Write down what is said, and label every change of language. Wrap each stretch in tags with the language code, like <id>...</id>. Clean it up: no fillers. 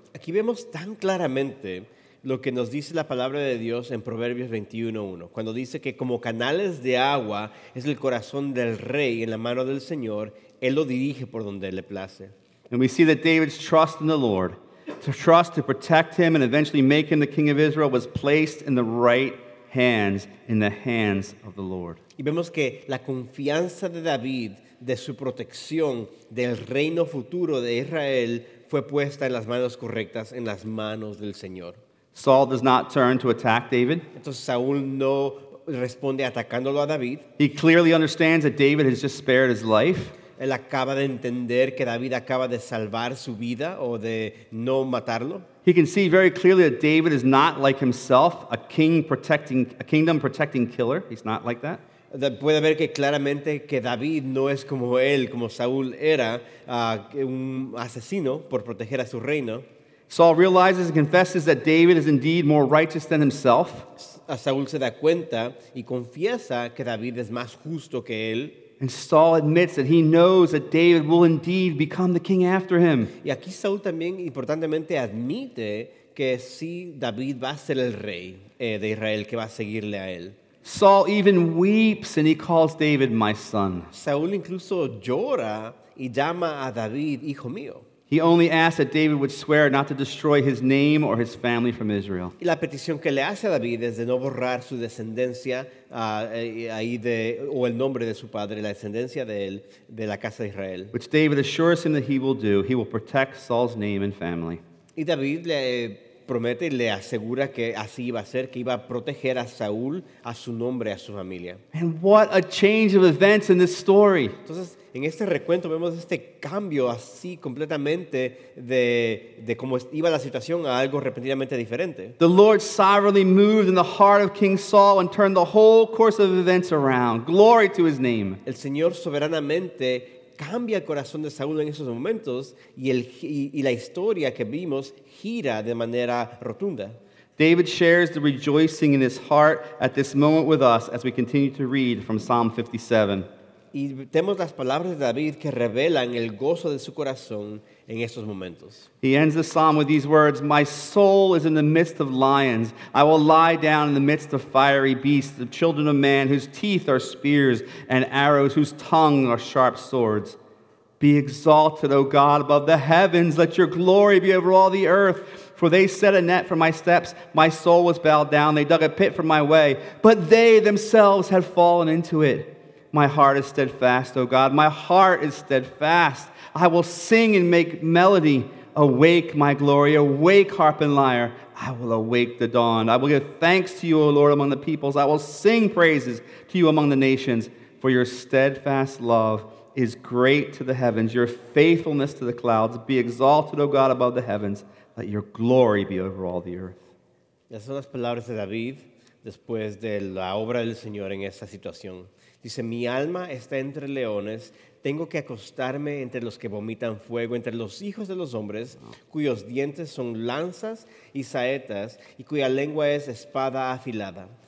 <es>Aquí vemos tan claramente lo que nos dice la palabra de Dios en Proverbios 21:1, cuando dice que como canales de agua es el corazón del rey en la mano del Señor, él lo dirige por donde le place.</es> <en>And we see that David's trust in the Lord, to trust to protect him and eventually make him the king of Israel, was placed in the right hands, in the hands of the Lord.</en> <es>Y vemos que la confianza de David, de su protección del reino futuro de Israel, fue puesta en las manos correctas, en las manos del Señor.</es> <en>Saul does not turn to attack David.</en> <es>Entonces Saúl no responde atacándolo a David.</es> <en>He clearly understands that David has just spared his life.</en> <es>Él acaba de entender que David acaba de salvar su vida o de no matarlo.</es> <en>He can see very clearly that David is not like himself, a king protecting, a kingdom protecting killer. He's not like that.</en> <es>Puede ver que claramente que David no es como él, como Saúl era, un asesino por proteger a su reino.</es> <en>Saul realizes and confesses that David is indeed more righteous than himself.</en> <es>A Saúl se da cuenta y confiesa que David es más justo que él.</es> <en>And Saul admits that he knows that David will indeed become the king after him.</en> <es>Y aquí Saúl también importantemente admite que sí, David va a ser el rey de Israel, que va a seguirle a él.</es> <en>Saul even weeps and he calls David my son.</en> <es>Saúl incluso llora y llama a David hijo mío.</es> <en>He only asks that David would swear not to destroy his name or his family from Israel.</en> <es>Y la petición que le hace a David es de no borrar su descendencia o el nombre de su padre, la descendencia de él, de la casa de Israel.</es> <en>Which David assures him that he will do. He will protect Saul's name and family.</en> <es>Y David le promete y le asegura que así iba a ser, que iba a proteger a Saúl, a su nombre, a su familia.</es> <en>And what a change of events in this story.</en> <es>Entonces, en este recuento vemos este cambio así completamente de cómo iba la situación a algo repentinamente diferente.</es> <en>The Lord sovereignly moved in the heart of King Saul and turned the whole course of events around. Glory to his name.</en> <es>El Señor soberanamente cambia el corazón de Saúl en esos momentos y la historia que vimos gira de manera rotunda.</es> <en>David shares the rejoicing in his heart at this moment with us as we continue to read from Psalm 57.</en> <es>Y vemos las palabras de David que revelan el gozo de su corazón en estos momentos.</es> <en>He ends the psalm with these words, "My soul is in the midst of lions. I will lie down in the midst of fiery beasts, the children of man whose teeth are spears and arrows, whose tongue are sharp swords. Be exalted, O God, above the heavens. Let your glory be over all the earth. For they set a net for my steps. My soul was bowed down. They dug a pit for my way. But they themselves had fallen into it. My heart is steadfast, O God. My heart is steadfast. I will sing and make melody. Awake, my glory. Awake, harp and lyre. I will awake the dawn. I will give thanks to you, O Lord, among the peoples. I will sing praises to you among the nations. For your steadfast love is great to the heavens, your faithfulness to the clouds. Be exalted, O God, above the heavens. Let your glory be over all the earth."</en> <es>Esas son las palabras de David después de la obra del Señor en esta situación. Dice, mi alma está entre leones. Tengo que acostarme entre los que vomitan fuego, entre los hijos de los hombres, cuyos dientes son lanzas y saetas, y cuya lengua es espada afilada.</es>